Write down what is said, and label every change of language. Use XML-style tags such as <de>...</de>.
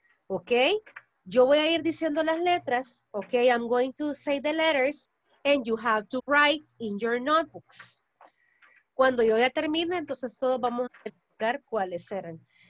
<es>Okay, yo voy a ir diciendo las letras.</es> <en>Okay, I'm going to say the letters and you have to write in your notebooks.</en> <es>Cuando yo ya termine, entonces todos vamos a explicar cuáles eran.</es>